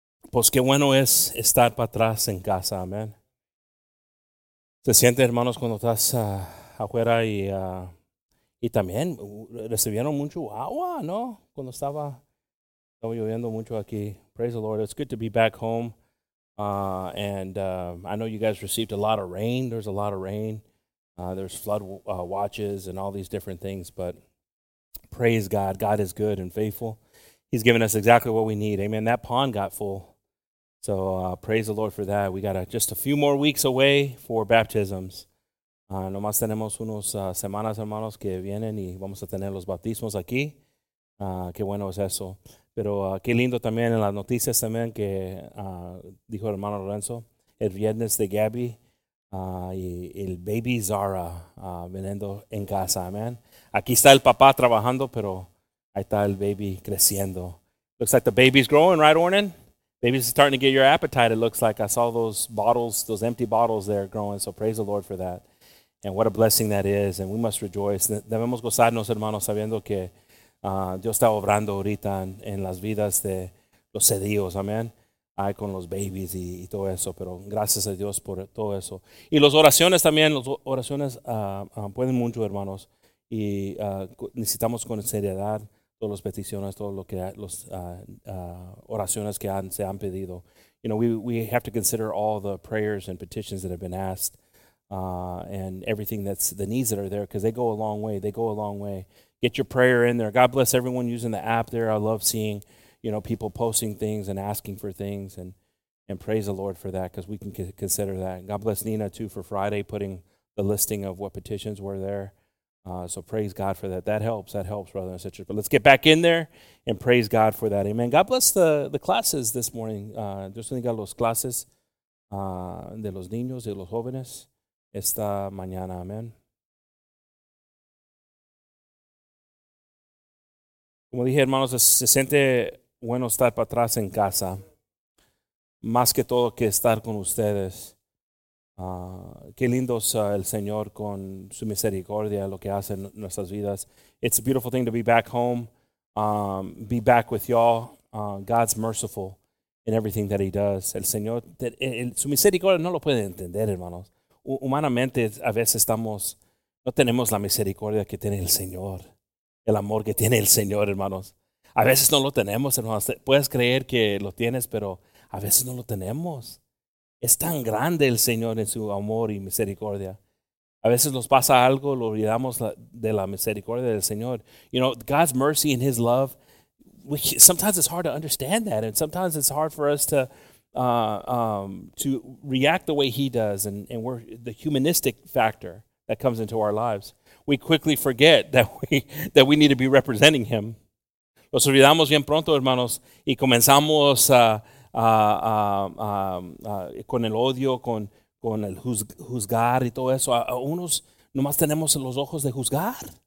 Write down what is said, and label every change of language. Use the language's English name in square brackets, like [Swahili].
[Spanish] Pues qué bueno es estar para atrás en casa. Amen. Se siente, hermanos, cuando estás afuera y también recibieron mucho agua, ¿no? Cuando estaba lloviendo mucho aquí. [English] Praise the Lord. It's good to be back home. I know you guys received a lot of rain. There's a lot of rain. There's flood watches and all these different things. But praise God. God is good and faithful. He's given us exactly what we need. Amen. That pond got full. So praise the Lord for that. We got just a few more weeks away for baptisms. [Spanish] Nomás tenemos unos semanas, hermanos, que vienen y vamos a tener los bautismos aquí. Qué bueno es eso. Pero qué lindo también en las noticias también que dijo hermano Lorenzo, el viernes de Gabby y el baby Zara viniendo en casa. Amen. Aquí está el papá trabajando, pero ahí está el baby creciendo. [English] Looks like the baby's growing, right, Ornan? Baby's starting to get your appetite, it looks like. I saw those bottles, those empty bottles there growing, so praise the Lord for that. And what a blessing that is, and we must rejoice. [Spanish] Debemos gozarnos, hermanos, sabiendo que Dios está obrando ahorita en las vidas de los cedidos, amén. Ay, con los babies y todo eso, pero gracias a Dios por todo eso. Y las oraciones también, las oraciones pueden mucho, hermanos. Y necesitamos con seriedad todas las peticiones, todas las oraciones que se han pedido. [English] You know, we have to consider all the prayers and petitions that have been asked and everything that's the needs that are there because they go a long way. They go a long way. Get your prayer in there. God bless everyone using the app there. I love seeing, you know, people posting things and asking for things and praise the Lord for that because we can consider that. And God bless Nina, too, for Friday putting the listing of what petitions were there. So praise God for that. That helps. That helps, brothers and sisters. But let's get back in there and praise God for that. Amen. God bless the classes this morning. [Spanish] Dios bendiga los clases de los niños y los jóvenes esta mañana. Amen. Como dije, hermanos, se siente bueno estar para atrás en casa. Más que todo que estar con ustedes. Qué lindo es el Señor con su misericordia, lo que hace en nuestras vidas. [English] It's a beautiful thing to be back home, be back with y'all. God's merciful in everything that he does. [Spanish] El Señor, su misericordia no lo puede entender, hermanos. Humanamente, a veces no tenemos la misericordia que tiene el Señor, el amor que tiene el Señor, hermanos. A veces no lo tenemos, hermanos. Puedes creer que lo tienes, pero a veces no lo tenemos. Es tan grande el Señor en su amor y misericordia. A veces nos pasa algo, lo olvidamos de la misericordia del Señor. [English] You know, God's mercy and his love, sometimes it's hard to understand that. And sometimes it's hard for us to react the way he does. And we're the humanistic factor that comes into our lives. We quickly forget that we need to be representing him. [Spanish] Nos olvidamos bien pronto, hermanos, y comenzamos con el odio, con el juzgar y todo eso. A unos nomás tenemos los ojos de juzgar.